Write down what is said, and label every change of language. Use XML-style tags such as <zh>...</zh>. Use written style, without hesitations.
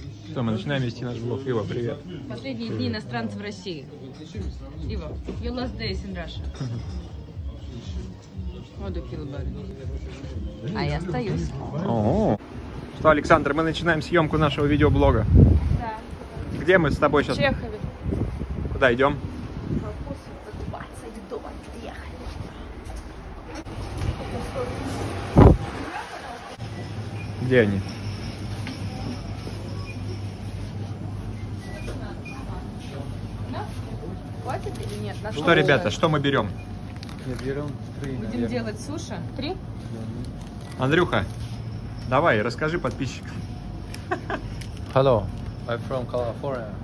<ru>Что, мы начинаем вести наш блог? Ива, привет. Последние дни иностранцев в России.</ru> <en>Ива, your last days in Russia. What the hell, buddy?</en> <ru>А я остаюсь. О-о-о. Что, Александр, мы начинаем съемку нашего видеоблога. Да. Где мы с тобой сейчас? В Чехове. Куда идем? Где они? Или нет? Что, ребята, что мы берем? Мы берем три, будем делать суши? Три? Андрюха, давай, расскажи подписчикам.</ru> <en>Hello, I'm from California.</en>